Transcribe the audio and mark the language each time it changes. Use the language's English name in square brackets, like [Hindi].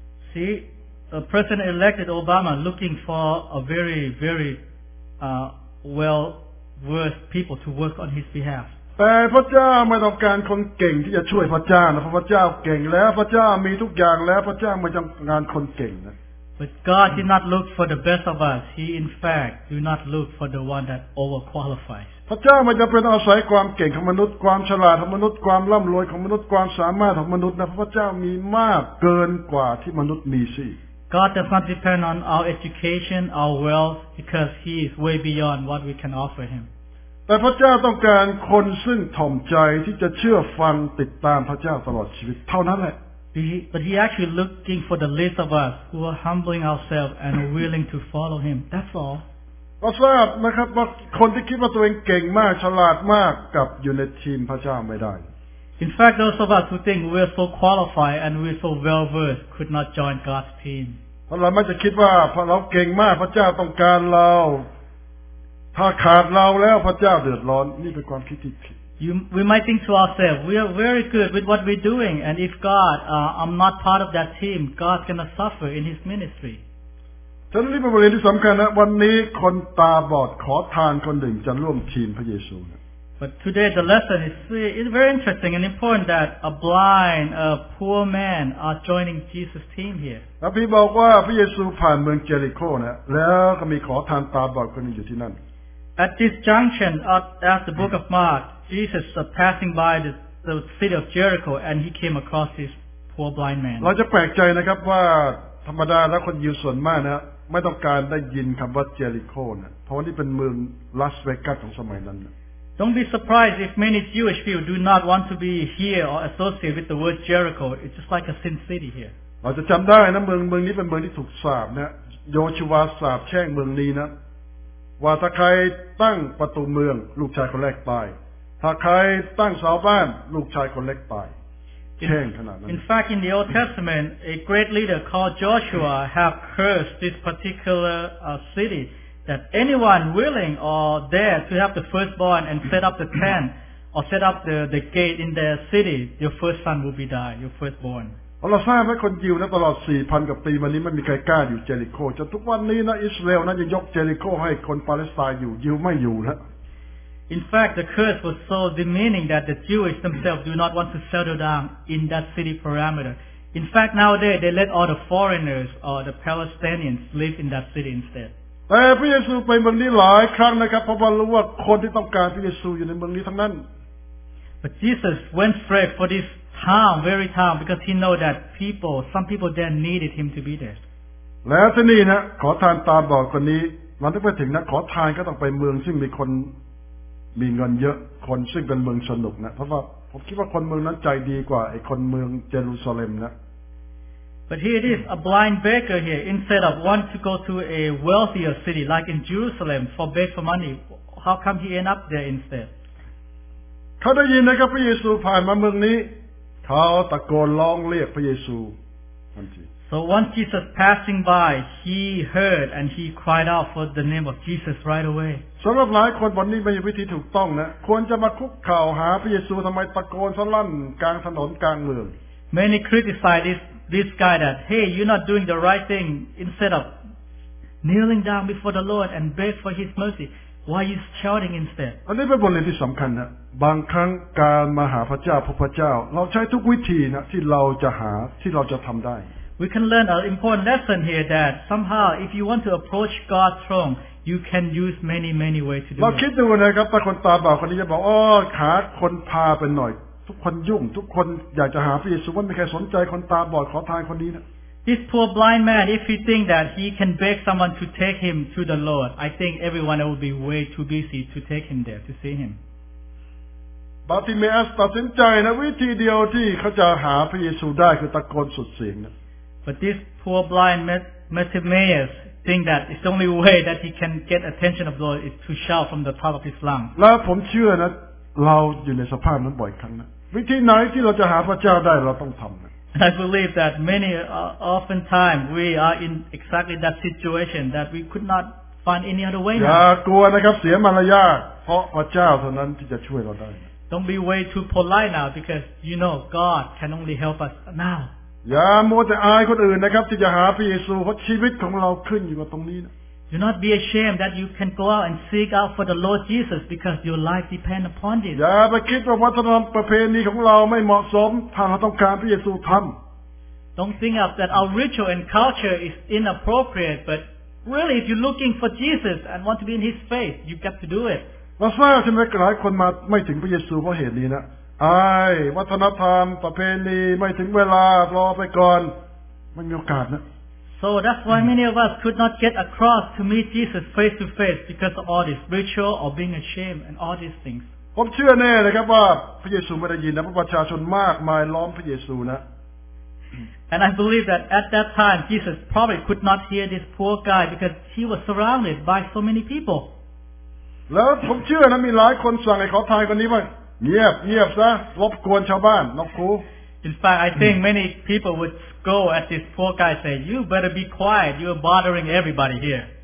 [English] See, President-elected Obama looking for a very, very, well-versed people to work on his behalf. [Thai] แต่พระเจ้าไม่ต้องการคนเก่งที่จะช่วยพระเจ้านะเพราะพระเจ้าเก่งแล้วพระเจ้ามีทุกอย่างแล้วพระเจ้าไม่ต้องการคนเก่งนะ [English] But God did not look for the best of us. He in fact do not look for the one that overqualifies. [Thai] พระเจ้าไม่จำเป็นต้องอาศัยความเก่งของมนุษย์ความฉลาดของมนุษย์ความร่ำรวยของมนุษย์ความสามารถของมนุษย์นะเพราะพระเจ้ามีมากเกินกว่าที่มนุษย์มีสิ [English] God does not depend on our education, our wealth, because He is way beyond what we can offer Him. [Thai] แต่พระเจ้าต้องการคนซึ่งถ่อมใจที่จะเชื่อฟังติดตามพระเจ้าตลอดชีวิตเท่านั้นแหละ [English] But He actually looking for the least of us who are humbling ourselves and willing to follow Him. That's all. [Thai] เราทราบนะครับว่าคนที่คิดว่าตัวเองเก่งมากฉลาดมากกับอยู่ในทีมพระเจ้าไม่ได้ [English] In fact, those of us who think we are so qualified and we are so well-versed could not join God's team. [Thai] เราไม่จะคิดว่าเราเก่งมากพระเจ้าต้องการเราถ้าขาดเราแล้วพระเจ้าเดือดร้อนนี่เป็นความคิดที่ผิด [English] We might think to ourselves, we are very good with what we're doing, and if God, I'm not part of that team, God's going to suffer in His ministry. [Thai] ฉะนั้นนี่เป็นบทเรียนที่สำคัญนะวันนี้คนตาบอดขอทานคนหนึ่งจะร่วมทีมพระเยซู [English] But today the lesson is very interesting and important that a blind, a poor man are joining Jesus' team here. [Thai] พระบิดาบอกว่าพระเยซูผ่านเมืองเจริโคนะแล้วก็มีขอทานตาบอดคนนึงอยู่ที่นั่น [English] At this junction, as the book of Mark, Jesus was passing by the city of Jericho and he came across this poor blind man. [Thai] เราจะแปลกใจนะครับว่าธรรมดาแล้วคนยิวส่วนมากนะไม่ต้องการได้ยินคำว่าเจริโคนะเพราะว่านี่เป็นเมืองลาสเวกัสของสมัยนั้น [English] Don't be surprised if many Jewish people do not want to be here or associate with the word Jericho. It's just like a sin city here. [Thai] เราจะจำได้นะเมืองนี้เป็นเมืองที่ถูกสาปนะโยชูวาสาปแช่งเมืองนี้นะว่าถ้าใครตั้งประตูเมืองลูกชายคนแรกตายถ้าใครตั้งเสาบ้านลูกชายคนเล็กตาย [English] In fact, in the Old Testament, a great leader called Joshua have cursed this particular city that anyone willing or dare to have the firstborn and set up the tent or set up the gate in their city, your first son will be died, your firstborn. [Thai] เราทราบว่าคนยิวนะตลอด 4,000 กว่าปีมานี้ไม่มีใครกล้าอยู่เจริโคจนทุกวันนี้นะอิสราเอลนะจะยกเจริโคให้คนปาเลสไตน์อยู่ยิวไม่อยู่แล้ว [English] In fact the curse was so demeaning that the Jewish themselves do not want to settle down in that city parameter In fact nowadays they let all the foreigners or the Palestinians live in that city instead [Thai] แต่พระเยซูไปเมืองนี้หลายครั้งนะครับเพราะว่ารู้ว่าคนที่ต้องการพระเยซูอยู่ในเมืองนี้ทั้งนั้น [English] But Jesus went straight for thisTown, very town, because he know that people, some people there needed him to be there. [Thai] แล้วที่นี่นะขอทานตามบอกคนนี้มันต้องไปถึงนะขอทานก็ต้องไปเมืองซึ่งมีคนมีเงินเยอะคนซึ่งเป็นเมืองสนุกนะเพราะว่าผมคิดว่าคนเมืองนั้นใจดีกว่าไอ้คนเมืองเยรูซาเล็มนะ [English] But here it is, a blind beggar here, instead of want to go to a wealthier city like in Jerusalem for beg for money, how come he end up there instead? [Thai] เขาได้ยินนะครับพระเยซูผ่านมาเมืองนี้เขาตะโกนร้องเรียกพระเยซู [English] So once Jesus passing by, he heard and he cried out for the name of Jesus right away. [Thai] สำหรับหลายคนวันนี้ไม่มีวิธีถูกต้องนะควรจะมาคุกเข่าหาพระเยซูทำไมตะโกนสลั่นกลางถนนกลางเมือง [English] Many criticize this guy that hey you're not doing the right thing instead of kneeling down before the Lord and beg for His mercy. Why is shouting instead? [Thai] อันนี้เป็นบทเรียนที่สำคัญนะบางครั้งการมาหาพระเจ้าพบพระเจ้าเราใช้ทุกวิธีนะที่เราจะหาที่เราจะทำได้ [English] We can learn an important lesson here that somehow if you want to approach God's throne you can use many ways to do it [Thai] เราคิดดูนะครับถ้าคนตาบอดคนนี้จะบอกอ๋อหาคนพาไปหน่อยทุกคนยุ่งทุกคนอยากจะหาพระเยซูไม่มีใครสนใจคนตาบอดขอทานคนนี้นะ [English] This poor blind man, if he think that he can beg someone to take him to the Lord, I think everyone will be way too busy to take him there to see him. [Thai] Bartimaeus ตัดสินใจนะวิธีเดียวที่เขาจะหาพระเยซูได้คือตะโกนสุดเสียงนะ [English] But this poor blind Bartimaeus think that it's the only way that he can get attention of the Lord is to shout from the top of his lungs. [Thai] แล้วผมเชื่อนะเราอยู่ในสภาพนั้นบ่อยครั้งนะวิธีไหนที่เราจะหาพระเจ้าได้เราต้องทำนะ [English] I believe that many often time we are in exactly that situation that we could not find any other way. [Thai] อย่ากลัวนะครับเสียมารยาทเพราะพระเจ้าเท่านั้นที่จะช่วยเราได้ [English] Don't be way too polite now because you know God can only help us now. [Thai] อย่ามัวแต่อายคนอื่นนะครับที่จะหาพระเยซูเพราะชีวิตของเราขึ้นอยู่กับตรงนี้นะ [English] Do not be ashamed that you can go out and seek out for the Lord Jesus because your life depends upon it. [Thai] อย่าไปคิดว่าวัฒนธรรมประเพณีของเราไม่เหมาะสมถ้าเราต้องการพระเยซูทำ [English] Don't think of that our ritual and culture is inappropriate, but really if you're looking for Jesus and want to be in His face, you've got to do it. [Thai] เราทราบใช่ไหมหลายคนมาไม่ถึงพระเยซูเพราะเหตุนี้นะไอ้วัฒนธรรมประเพณีไม่ถึงเวลารอไปก่อนไม่มีโอกาสนะ [English] So that's why many of us could not get across to meet Jesus face to face because of all this ritual or being ashamed and all these things. [Thai] ผมเชื่อแน่นะครับว่าพระเยซูไม่ได้ยินนะเพราะประชาชนมากมายล้อมพระเยซูนะ [English] And I believe that at that time Jesus probably could not hear this poor guy because he was surrounded by so many people. [Thai] แล้วผมเชื่อนะมีหลายคนสั่งให้ขอทานคนนี้ว่าเงียบซะรบกวนชาวบ้านนกคู [English] In fact I think many people wouldGo at this poor guy say, you better be quiet, you are bothering everybody here.